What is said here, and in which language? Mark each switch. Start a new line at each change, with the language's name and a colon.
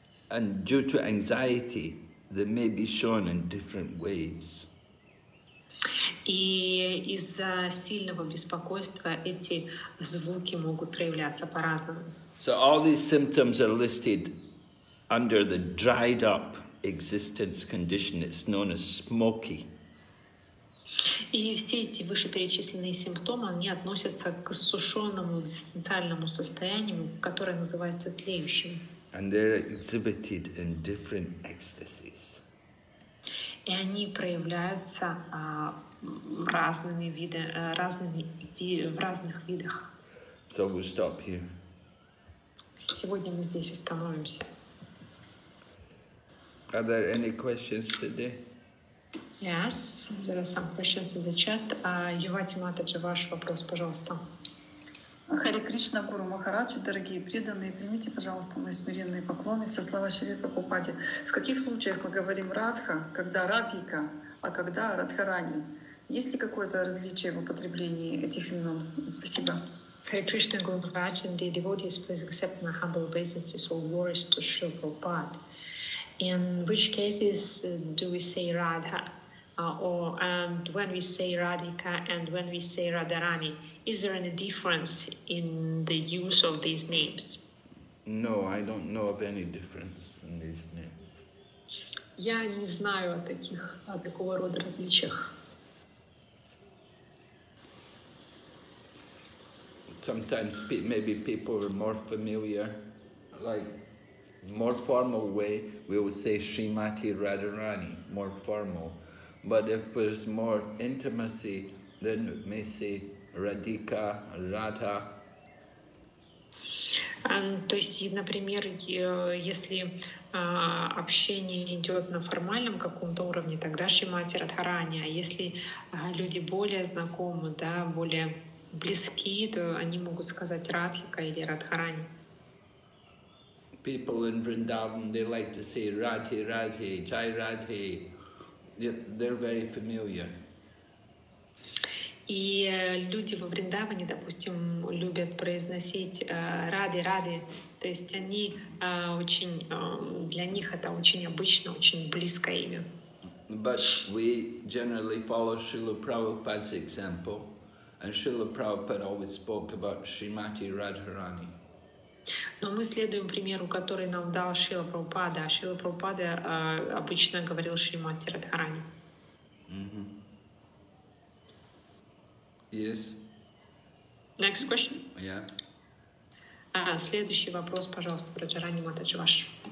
English: And due to anxiety, they may be shown in different ways.
Russian: И из-за сильного беспокойства эти звуки могут проявляться по-разному.
English: So all these symptoms are listed under the dried up existence condition. It's known as smoky.
Russian: И все эти вышеперечисленные симптомы, они относятся к иссушенному экзистенциальному состоянию, которое называется тлеющим.
English: And they're exhibited in different ecstasies.
Russian: И они проявляются в разных видах.
English: So we'll stop here.
Russian: Сегодня мы здесь остановимся.
English: Are there any questions today? Yes, there are some questions in the chat.
Russian: Ювати Матаджи, ваш вопрос, пожалуйста. Хари Кришна, Гуру Махараджи, дорогие преданные, примите, пожалуйста, мои смиренные поклоны, все слова Шри Прабхупаде. В каких случаях мы говорим Радха, когда Радхика, а когда Радхарани? Есть ли какое-то различие в употреблении этих имен? Спасибо.
English: Hare Krishna Guru Maharaj and the devotees, please accept my humble obeisances, all glories to Sri Prabhupada. In which cases do we say Radha? And when we say Radhika and when we say Radharani, is there any difference in the use of these names? No, I don't know of any difference in these names.
Russian: Я не знаю о такого рода различиях.
English: Sometimes maybe people are more familiar, like more formal way, we would say Srimati Radharani, more formal. But if there's more intimacy, then we may say Radhika, Radha.
Russian: То есть, например, если общение идет на формальном каком-то уровне, тогда Шримати Радхарани, а если люди более знакомы, да, более близки, то они могут сказать Радхика или Радхарани.
English: People in Vrindavan, they like to say Radhi, Radhi, Jai Radhi. They're very familiar.
Russian: И люди во Вриндаване, допустим, любят произносить «рады, рады». То есть они очень, для них это очень обычно, очень близко имя.
English: But we generally follow Srila Prabhupada's example, and Srila Prabhupada always spoke about Srimati Radharani.
Russian: Но мы следуем примеру, который нам дал Шрила Прабхупада. Шрила Прабхупада обычно говорил Шримати Радхарани. Mm-hmm.
English: Yes. Next question. Yeah.
Russian: Следующий вопрос, пожалуйста, Раджарани Матаджи ваш.